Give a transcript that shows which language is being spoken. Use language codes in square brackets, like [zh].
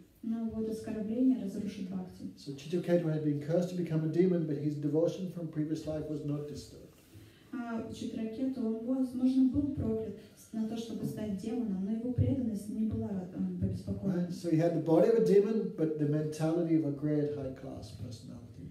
[ru] Но вот оскорбление разрушит бхакти. [en] So Citraketu had been cursed to become a demon, but his devotion from previous life was not disturbed. [ru] Читракету, он, возможно, был проклят на то, чтобы стать демоном, но его преданность не была побеспокоена. [en] Right? So he had the body of a demon, but the mentality of a great high-class personality.